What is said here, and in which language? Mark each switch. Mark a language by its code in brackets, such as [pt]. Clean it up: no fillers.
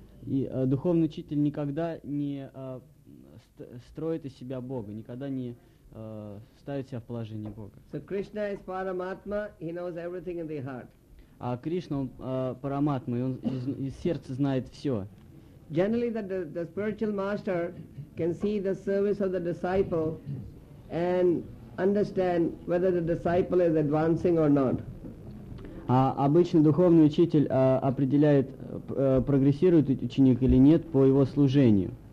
[ru] И духовный учитель никогда не строит из себя Бога, никогда не ставит себя в положение Бога. [en] So Krishna is Paramatma, he knows everything in the heart. [ru] А Кришна, он Параматма, и он из сердца знает все. [en] Generally, the spiritual master can see the service of the disciple and understand whether the disciple is advancing or not. [ru] А обычно духовный учитель определяет, прогрессирует ученик или нет по его служению.